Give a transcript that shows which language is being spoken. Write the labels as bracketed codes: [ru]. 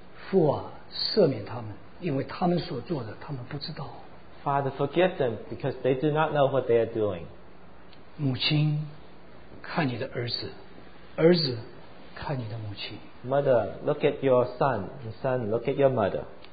[zh] 父啊, 赦免他们, 因为他们所做的, [en] Father, forgive them because they do not know what they are doing. [zh] 母亲, 看你的儿子, 儿子, 看你的母亲, [en] mother, look at your son, and son, look at your mother.